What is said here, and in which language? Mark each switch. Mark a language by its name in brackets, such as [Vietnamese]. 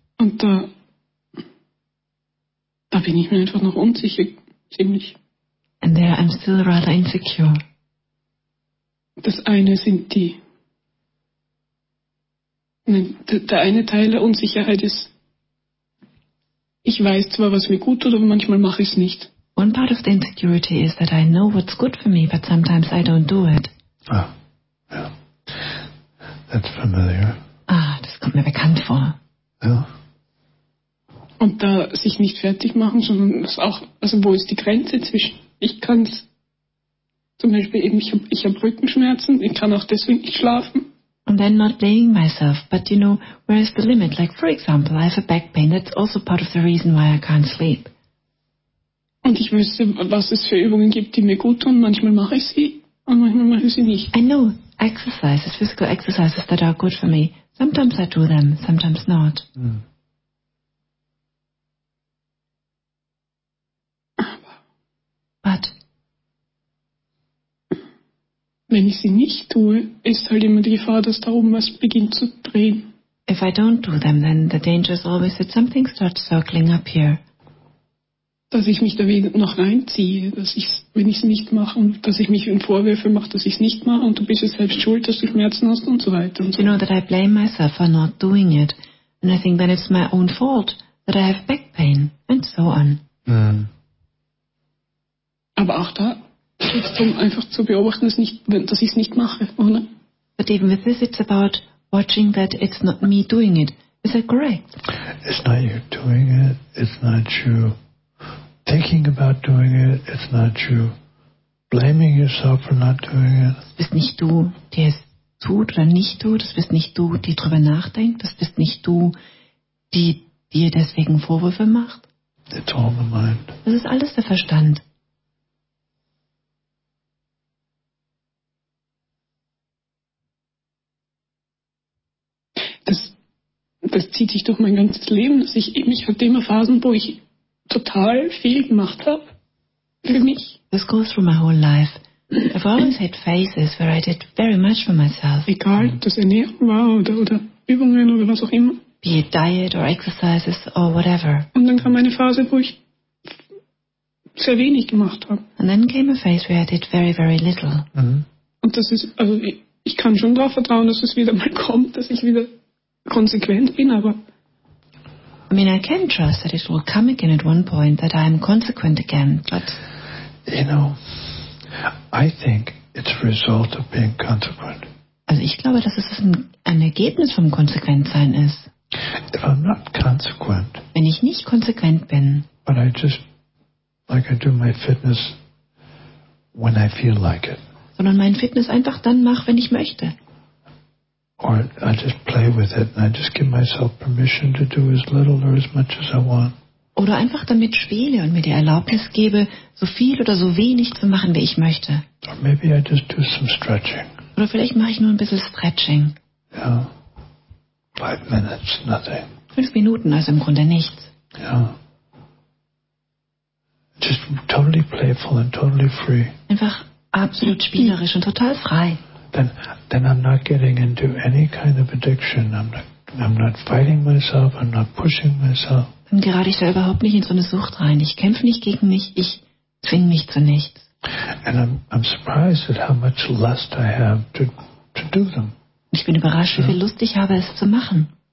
[German] Und da bin ich mir einfach noch unsicher, ziemlich. [English] And there I'm still rather insecure. [German] Das eine sind die. Nein, der eine Teil der Unsicherheit ist, ich weiß zwar, was mir gut tut, aber manchmal mache ich es nicht. [English] One part of the insecurity is that I know what's good for me, but sometimes I don't do it. Ah, yeah. That's familiar. [German] Ah, das kommt mir bekannt vor. Ja. Yeah. Und da sich nicht fertig machen, sondern es auch, also wo ist die Grenze zwischen, ich kann es zum Beispiel eben, ich hab Rückenschmerzen, ich kann auch deswegen nicht schlafen. [English] And then not blaming myself, but you know, where is the limit? Like, for example, I have a back pain. That's also part of the reason why I can't sleep. [German] Und ich wüsste, was es für Übungen gibt, die mir gut tun. Manchmal mache ich sie und manchmal mache ich sie nicht. [English] I know exercises, physical exercises that are good for me. Sometimes I do them, sometimes not. Mm. But [German] wenn ich sie nicht tue, ist halt immer die Gefahr, dass da oben was beginnt zu drehen. [English] If I don't do them, then the danger is always that something starts circling up here. [German] Dass ich mich da wieder noch reinziehe, dass ich, wenn ich es nicht mache, und dass ich mich in Vorwürfe mache, dass ich es nicht mache, und du bist ja selbst schuld, dass du Schmerzen hast und so weiter. Und [English] you know that I blame myself for not doing it, and I think that it's my own fault that I have back pain and so on. Mm. [German] Aber auch da. Um einfach zu beobachten, dass ich es nicht mache, oder? [English] But even with this, it's about watching that it's not me doing it. Is that correct? It's not you doing it. It's not you thinking about doing it. It's not you blaming yourself for not doing it. [German] Das bist nicht du, die es tut oder nicht tut. Das bist nicht du, die drüber nachdenkt. Das bist nicht du, die dir deswegen Vorwürfe macht. [English] It's all the mind. [German] Das ist alles der Verstand. Das zieht sich durch mein ganzes Leben. Ich hatte immer Phasen, wo ich total viel gemacht habe für mich. [English] This goes through my whole life. I've always had phases where I did very much for myself. [German] Egal, ob das Ernährung war oder Übungen oder was auch immer. [English] Be it diet or exercises or whatever. [German] Und dann kam eine Phase, wo ich sehr wenig gemacht habe. [English] And then came a phase where I did very, very little. Mm-hmm. [German] Und das ist, also ich kann schon darauf vertrauen, dass es wieder mal kommt, dass ich wieder konsequent bin, aber [English] I mean, I can trust that it will come again at one point, that I am consequent again, but you know, I think it's a result of being consequent. [German] Also ich glaube, dass es ein Ergebnis vom Konsequentsein ist. [English] If I'm not consequent, [German] wenn ich nicht konsequent bin, [English] but I just, like I do my fitness when I feel like it. [German] Sondern mein Fitness einfach dann mache, wenn ich möchte. [English] Or I just play with it and I just give myself permission to do as little or as much as I want. [German] Oder einfach damit spiele und mir die Erlaubnis gebe, so viel oder so wenig zu machen, wie ich möchte. [English] Or maybe I just do some stretching. [German] Oder vielleicht mache ich nur ein bisschen Stretching. [English] Ja. 5 minutes, nothing. [German] 5 Minuten, also im Grunde nichts. Ja. [English] Just totally playful and totally free. [German] Einfach absolut spielerisch und total frei. [English] Then I'm not getting into any kind of addiction. I'm not fighting myself. I'm not pushing myself. [German] Dann gerate ich da überhaupt nicht in so eine Sucht rein. Ich kämpfe nicht gegen mich. Ich zwinge mich zu nichts. [English] And I'm surprised at how much lust I have to do them. [German] Ich bin überrascht, wie viel Lust ich habe, es zu machen.